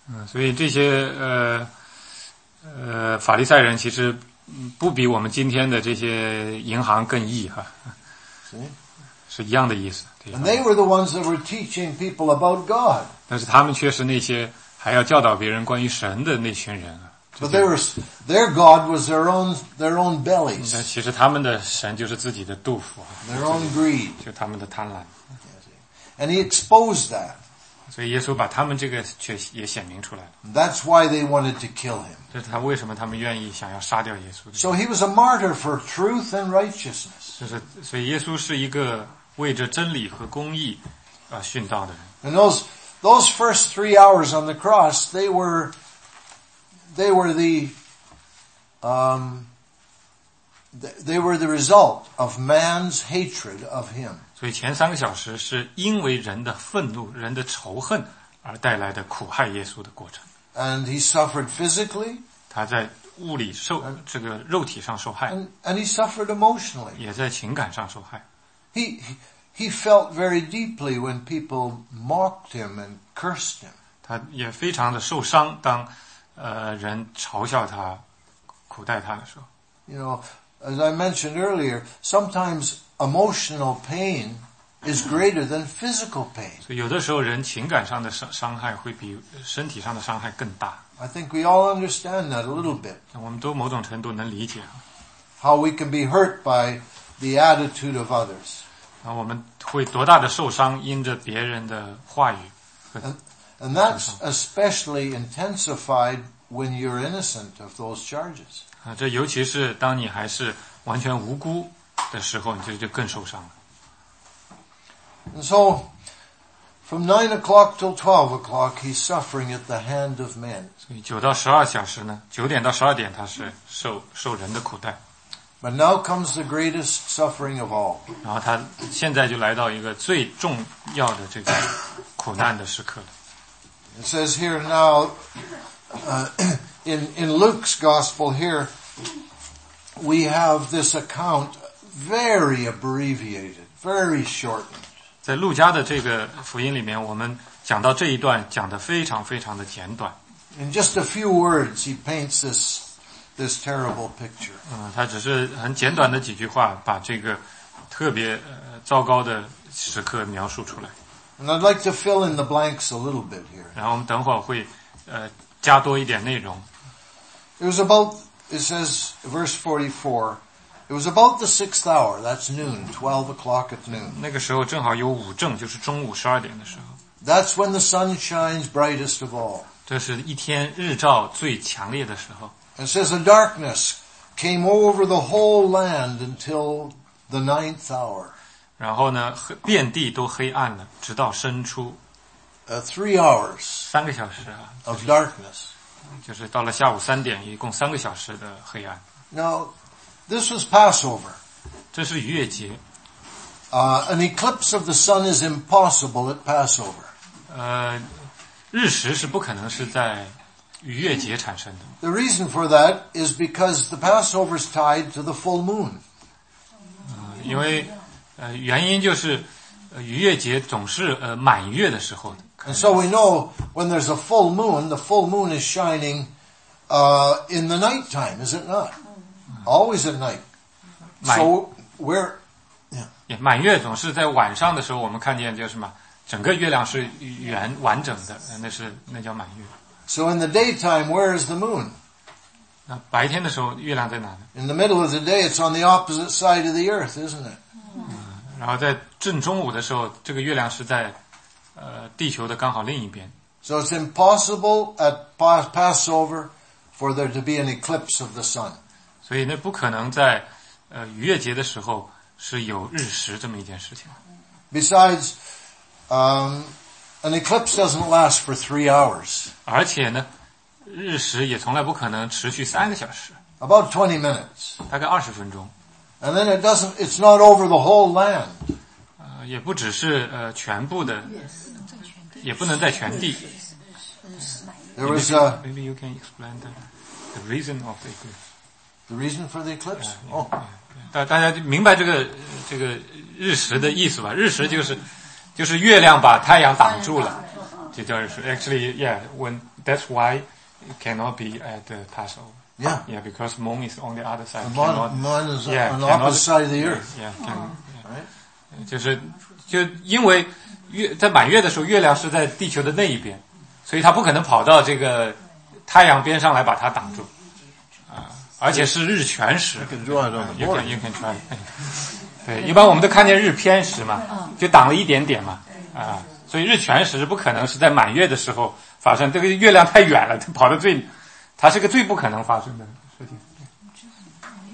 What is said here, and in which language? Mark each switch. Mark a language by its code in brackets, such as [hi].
[zh] 所以这些法利赛人其实不比我们今天的这些银行更义哈。是一样的意思。 [en] And they were the ones that were teaching people about God. [zh] 但是他们却是那些还要教导别人关于神的那群人。 [en] But their God was their own bellies. [zh] 其实他们的神就是自己的肚腹。 [en] Their own greed. [zh] 就他们的贪婪。 [en] And he exposed that. [zh] 所以耶稣把他们这个却也显明出来了。 [en] That's why they wanted to kill him. [zh] 这是他为什么他们愿意想要杀掉耶稣。 [en] So he was a martyr for truth and righteousness. [zh] 就是所以耶稣是一个为着真理和公义殉道的人。 [en] And those first 3 hours on the cross, they were the result of man's hatred of him. [zh] 所以前三个小时是因为人的愤怒、人的仇恨而带来的苦害耶稣的过程。 [en] And he suffered physically. [zh] 他在物理受这个肉体上受害。 [en] And he suffered emotionally. [zh] 也在情感上受害。 [en] He felt very deeply when people mocked him and cursed him. [zh] 他也非常的受伤当人嘲笑他、苦待他的时候。 [en] You know, as I mentioned earlier, sometimes emotional pain is greater than physical pain. [zh] 所以有的时候人情感上的伤害会比身体上的伤害更大。 [en] I think we all understand that a little bit. [zh] 我们都某种程度能理解。 [en] How we can be hurt by the attitude of others. [zh] 那我们会多大的受伤因着别人的话语。 [en] And that's especially intensified when you're innocent of those charges. [zh] 这尤其是当你还是完全无辜的时候，你就更受伤了。 [en] And so, from 9 o'clock till 12 o'clock, he's suffering at the hand of men. [zh] 所以九到十二小时呢，九点到十二点，他是受人的苦待。 [en] But now comes the greatest suffering of all. [zh] 然后他现在就来到一个最重要的这个苦难的时刻了。 [en] It says here now, in Luke's gospel here, we have this account very abbreviated, very shortened. [zh] 在路加的这个福音里面，我们讲到这一段讲得非常非常的简短。 [en] In just a few words, he paints this terrible picture. [zh] 他只是很简短的几句话，把这个特别糟糕的时刻描述出来。 [en] And I'd like to fill in the blanks a little bit here. [zh] 然后我们等会儿会加多一点内容。 [en] It says verse 44. It was about the sixth hour. That's noon, 12 o'clock at noon. [zh] 那个时候正好有午正，就是中午十二点的时候。 [en] That's when the sun shines brightest of all. [zh] 这是一天日照最强烈的时候。 [en] It says a darkness came over the whole land until the ninth hour. [zh] 然后呢，遍地都黑暗了，直到深处。 [en] 3 hours. [zh] 三个小时啊。 [en] Of darkness. [zh] 就是到了下午三点，一共三个小时的黑暗。 [en] Now, this was Passover. [zh] 这是逾越节。 [en] An eclipse of the sun is impossible at Passover. [zh] 日食是不可能是在逾越节产生的。 [en] The reason for that is because the Passover is tied to the full moon. [zh] 因为原因就是逾越节总是满月的时候的。 [en] And so we know when there's a full moon, the full moon is shining, in the night time, is it not? Always at night. Yeah. [zh] 满月总是在晚上的时候，我们看见就是什么，整个月亮是圆完整的，那叫满月。 [en] So in the daytime, where is the moon? [zh] 那白天的时候，月亮在哪呢？ [en] In the middle of the day, it's on the opposite side of the earth, isn't it? [zh] 然后在正中午的时候，这个月亮是在地球的刚好另一边。 [en] So it's impossible at Passover for there to be an eclipse of the sun. [zh] 所以那不可能在逾越节的时候是有日食这么一件事情。 [en] Besides, an eclipse doesn't last for 3 hours. [zh] 而且呢，日食也从来不可能持续三个小时。 [en] About 20 minutes. [zh] 大概二十分钟。 [en] And then it's not over the whole land. [zh] 也不只是全部的，也不能在全地。 [en] There was maybe you can explain the reason of the eclipse. The reason for the eclipse? [zh] Oh. 大家明白这个日食的意思吧？日食就是就是月亮把太阳挡住了，这就是 [en] actually yeah when that's why it cannot be at the Passover. Yeah, yeah, because moon is on the other side. The moon, cannot, moon is yeah, on cannot, the opposite side of the earth. Yeah, yeah, can, yeah. Right? [zh] 就是就因为月在满月的时候，月亮是在地球的那一边，所以它不可能跑到这个太阳边上来把它挡住。而且是日全食， [en] you can try. [zh] 对，一般我们都看见日偏食嘛，就挡了一点点嘛，啊，所以日全食是不可能是在满月的时候发生，这个月亮太远了，它跑得最，它是个最不可能发生的事情。